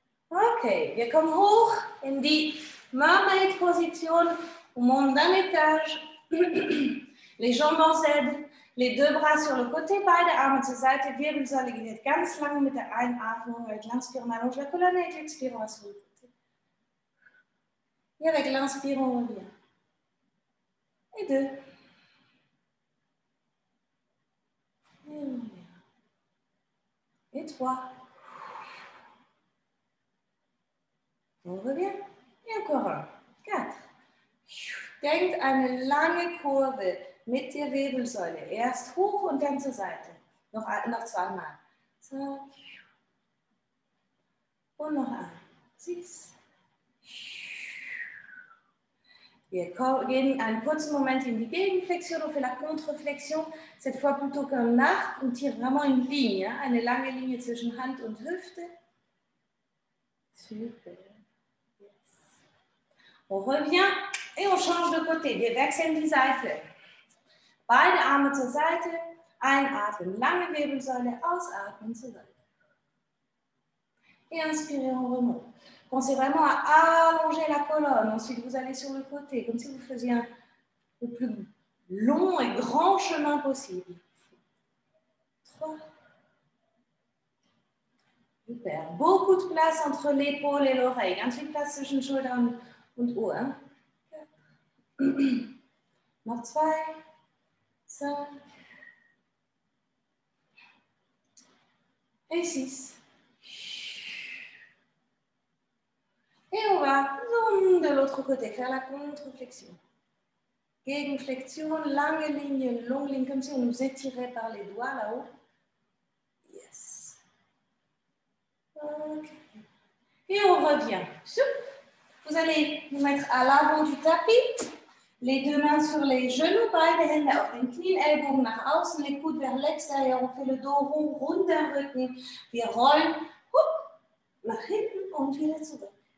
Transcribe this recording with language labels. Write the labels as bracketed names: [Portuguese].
[German] Ok, wir kommen hoch in die Marmelade-Position, [French] on monte d'un étage. Les jambes en Z, les deux bras sur le côté, [German] beide Arme zur Seite, Wirbelsäule geht ganz lang mit der Einatmung, [French] avec l'inspiration, avec la colonne et l'expiration. Et avec l'inspiration, on revient. Et deux. Et trois. On revient. Et encore un. Quatre. [German] Denkt [French] à une lange courbe [German] mit der Wirbelsäule. Erst hoch und dann zur Seite. Noch zweimal. Cinq. Und noch [French] un. Six. [German] Wir gehen einen kurzen Moment in die Gegenflexion und für [French] la Contreflexion. Cette fois plutôt qu'un arc, on tire vraiment une ligne, [German] eine lange Linie zwischen Hand und Hüfte. [French] Super. Yes. On revient et on change de côté. [German] Wir wechseln die Seite. Beide Arme zur Seite. Einatmen, lange Wirbelsäule. Ausatmen zur Seite. [French] Et inspirez, on remonte. Pensez vraiment à allonger la colonne, ensuite vous allez sur le côté, comme si vous faisiez le plus long et grand chemin possible. Trois. Super. Beaucoup de place entre l'épaule et l'oreille. Un petit place [German] zwischen Schultern und Ohr. [French] Quatre. [German] Noch zwei. [French] Cinq. Et six. Et on va de l'autre côté faire la contre-flexion. [German] Gegenflexion, lange [French] ligne, longue ligne, comme si on nous étirait par les doigts là-haut. Yes. Ok. Et on revient. Vous allez vous mettre à l'avant du tapis. Les deux mains sur les genoux, [German] beide Hände auf den Knien, Ellbogen nach außen, [French] les coudes vers l'extérieur. On fait le dos rond, rond d'un rücken. [German] Wir rollen. Hop, nach hinten und wieder zurück.